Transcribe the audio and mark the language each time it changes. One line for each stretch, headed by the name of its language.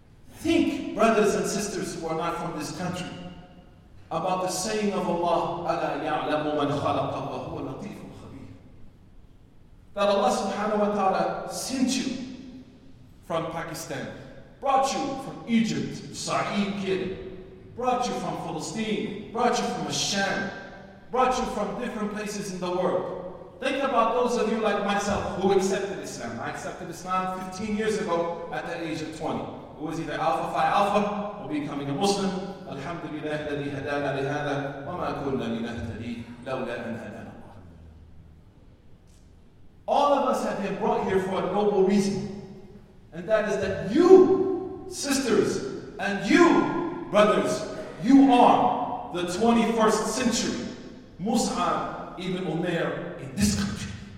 English: Think, brothers and sisters who are not from this country, about the saying of Allah,
Arabic: أَلَا يَعْلَمُ مَنْ خَلَقَ وَهُوَ لَطِيفٌ خَبِيرٌ,
English: that Allah subhanahu wa ta'ala sent you from Pakistan, brought you from Egypt, Sa'id Kid, brought you from Palestine, brought you from Sham, brought you from different places in the world. Think about those of you like myself who accepted Islam. I accepted Islam 15 years ago at the age of 20. It was either Alpha Phi Alpha or becoming a Muslim.
Arabic: Alhamdulillah, الذي هدانا لهذا وما كنا لنهتدي لولا أن هدانا الله.
English: All of us have been brought here for a noble reason, and that is that you, sisters, and you, brothers, you are the 21st century Mus'ab ibn Umair in this country.